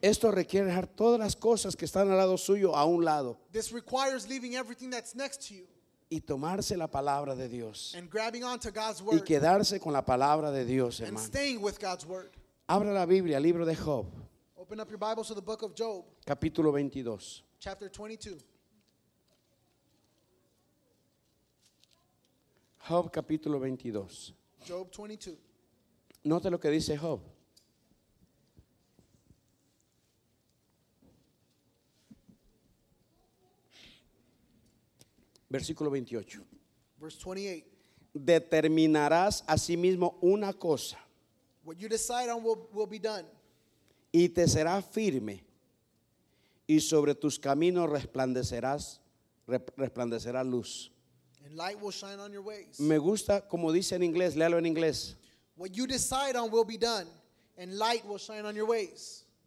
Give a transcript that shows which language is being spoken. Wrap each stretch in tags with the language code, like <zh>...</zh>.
<es>Esto requiere dejar todas las cosas que están al lado suyo a un lado.</es> <en>This requires leaving everything that's next to you.</en> <es>Y tomarse la palabra de Dios.</es> <en>And grabbing onto God's word.</en> <es>Y quedarse con la palabra de Dios, hermano.</es> <en>And staying with God's word.</en> <es>Abra la Biblia, libro de Job.</es> <en>Open up your Bible to the book of Job.</en> <es>Capítulo 22.</es> <en>Chapter 22.</en> <es>Job capítulo 22.</es> <en>Job 22.</en> <es>Note lo que dice Job. Versículo 28.</es> <en>Verse 28.</en> <es>Determinarás a sí mismo una cosa.</es> <en>What you decide on will be done.</en> <es>Y te será firme. Y sobre tus caminos resplandecerá luz.</es> <en>Light will shine on your ways.</en> <es>Me gusta como dice en inglés, léalo en inglés.</es> <en>What you decide on will be done, and light will shine on your ways.</en>